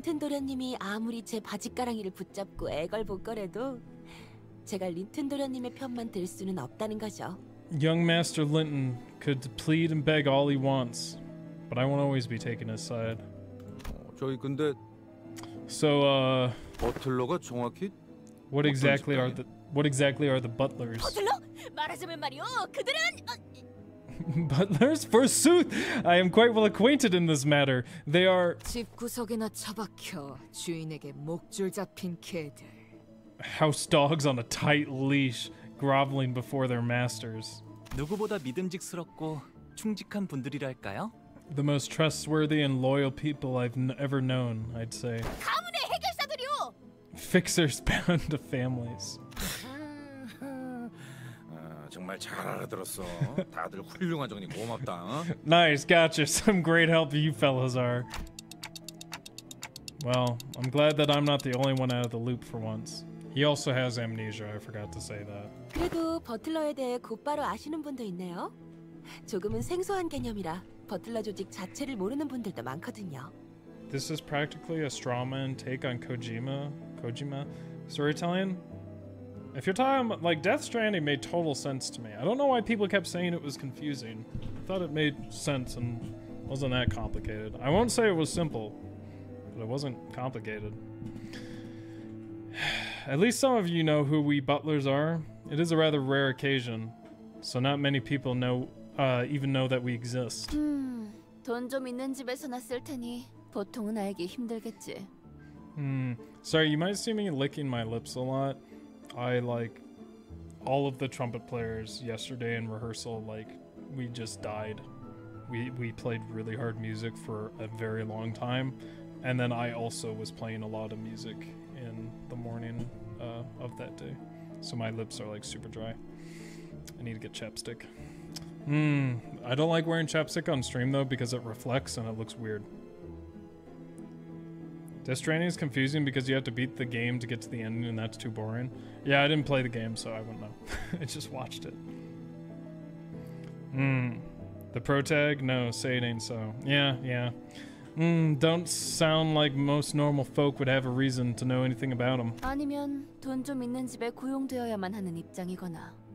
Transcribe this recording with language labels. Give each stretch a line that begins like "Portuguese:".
Korean: 린튼 도련님이 아무리 제 바지가랑이를 붙잡고 애걸복걸해도 제가 린튼 도련님의 편만 들 수는 없다는 거죠.
English: Young Master Linton could plead and beg all he wants, but I won't always be taken his side.
Korean: 저희 근데
English: So,
Korean: 버틀러가 정확히
English: What exactly are the butlers?
Korean: 버틀러? 말하자면 말이요. 그들은
English: Butlers? Forsooth! I am quite well acquainted in this matter. They are...
Korean: 집 구석에나 처박혀 주인에게 목줄 잡힌 개들.
English: House dogs on a tight leash, groveling before their masters.
Korean: 누구보다 믿음직스럽고 충직한 분들이랄까요?
English: The most trustworthy and loyal people I've ever known, I'd say.
Korean: 가문의 해결사들이요!
English: Fixers bound to families.
Korean: 정말 잘 알아들었어. 다들 훌륭한 정리 고맙다. 어?
English: Nice, gotcha. Some great help you fellows are. Well, I'm glad that I'm not the only one out of the loop for once. He also has amnesia. I forgot to say that.
Korean: 그래도 버틀러에 대해 곧바로 아시는 분도 있네요. 조금은 생소한 개념이라 버틀러 조직 자체를 모르는 분들도 많거든요.
English: This is practically a straw man take on Kojima. Kojima, storytelling. If you're talking about, like, Death Stranding made total sense to me. I don't know why people kept saying it was confusing. I thought it made sense and wasn't that complicated. I won't say it was simple, but it wasn't complicated. At least some of you know who we butlers are. It is a rather rare occasion, so not many people know, even know that we exist.
Korean: 돈 좀 있는 집에서 났을 테니 보통은 알기 힘들겠지.
English: Sorry, you might see me licking my lips a lot. I, like, all of the trumpet players yesterday in rehearsal, like, we just died. We played really hard music for a very long time, and then I also was playing a lot of music in the morning of that day. So my lips are, like, super dry. I need to get chapstick. I don't like wearing chapstick on stream, though, because it reflects and it looks weird. Death Stranding is confusing because you have to beat the game to get to the ending, and that's too boring. Yeah, I didn't play the game, so I wouldn't know. I just watched it. The protag? No, say it ain't so. Yeah. Don't sound like most normal folk would have a reason to know anything about him.
Korean: 아니면 돈 좀 있는 집에 고용되어야만 하는 입장이거나.